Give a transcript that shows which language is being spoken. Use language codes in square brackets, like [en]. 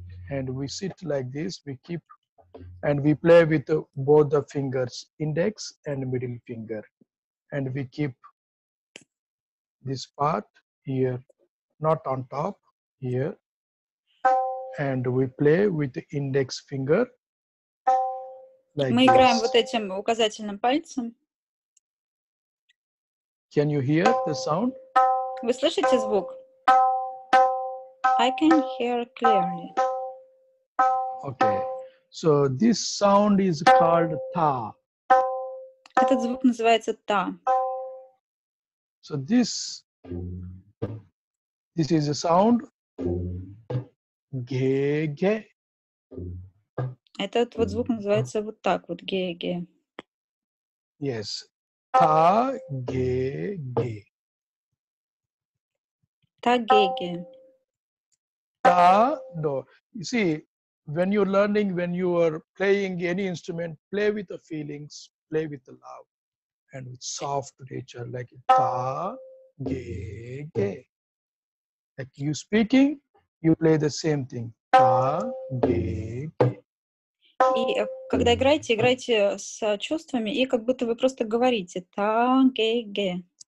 [en] And we sit like this, we keep, and we play with both the fingers, index and middle finger. And we keep this part here, not on top, here. And we play with the index finger, [ru] Мы играем вот этим указательным пальцем. [en] Can you hear the sound? [ru] Вы слышите звук? [en] I can hear clearly. Okay. So this sound is called ta. [ru] Этот звук называется та. [en] So this is a sound ге-ге. [ru] Этот вот звук называется вот так вот ге-ге. Yes. Та ге-ге. Та ге-ге. Та до. [en] You see, when you're learning, when you are playing any instrument, play with the feelings, play with the love and with soft nature, like ta ge ge. Like you speaking, you play the same thing. Ta ge ge. [ru] И когда играете, играйте с чувствами, и как будто вы просто говорите ta ge ge.